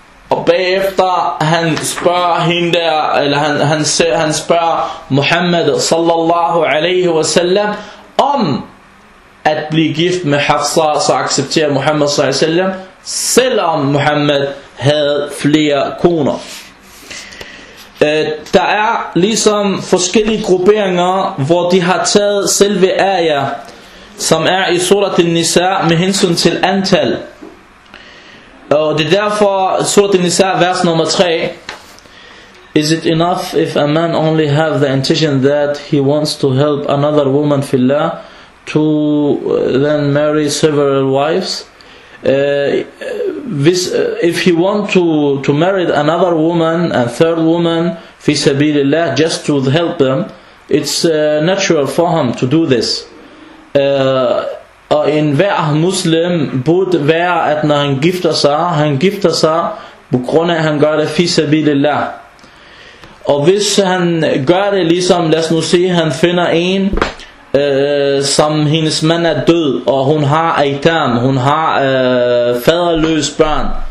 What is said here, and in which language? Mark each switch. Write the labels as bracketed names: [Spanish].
[Danish] Og bagefter han spørger hende der, eller han spørger Muhammad [Arabic] sallallahu alaihi wasallam [Danish] om at blive gift med Hafsa, så accepterer Muhammad sallallahu alaihi wasallam, selvom Muhammad havde flere koner. Der er ligesom forskellige grupperinger, hvor de har taget selve ayah, som er i surat al-Nisa, med hensyn til antal. Og det er derfor, surat al-Nisa, vers nummer 3. [English] Is it enough if a man only have the intention that he wants to help another woman fi Allah to then marry several wives? If he want to marry another woman and third woman [Arabic] fi sabil Allah [English] just to help them, it's natural for him to do this. [Danish] Og enhver muslim burde være, at når han gifter sig, han gifter sig på grund af, at han gør det fisabilillah. Og hvis han gør det ligesom, lad os nu se, han finder en, som hendes mand er død, og hun har aitam, hun har faderløs børn.